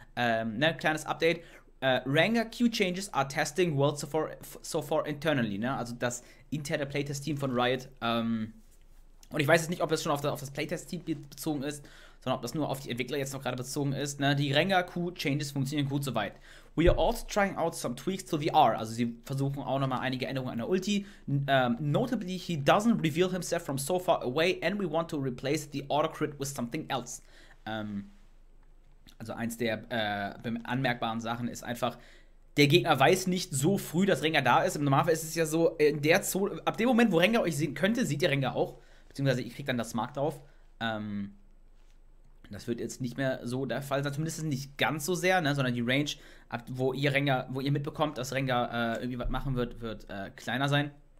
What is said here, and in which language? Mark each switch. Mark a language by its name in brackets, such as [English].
[German] Ne, kleines Update. [English] Rengar Queue Changes are testing world so far internally, ne? [German] Also das interne Playtest-Team von Riot. Und ich weiß jetzt nicht, ob es schon auf das Playtest-Team bezogen ist, sondern ob das nur auf die Entwickler jetzt noch gerade bezogen ist. Ne? Die Rengar Queue Changes funktionieren gut soweit. [English] We are also trying out some tweaks to the R. [German] Also sie versuchen auch nochmal einige Änderungen an der Ulti. [English] Notably, he doesn't reveal himself from so far away and we want to replace the auto-crit with something else. [German] Also eins der anmerkbaren Sachen ist einfach, der Gegner weiß nicht so früh, dass Rengar da ist. Im Normalfall ist es ja so, in der Zone, ab dem Moment, wo Rengar euch sehen könnte, sieht ihr Rengar auch. Beziehungsweise ihr kriegt dann das Mark drauf. Das wird jetzt nicht mehr so der Fall sein, zumindest nicht ganz so sehr, ne, sondern die Range, ab, wo ihr Rengar, wo ihr mitbekommt, dass Rengar irgendwie was machen wird, wird kleiner sein.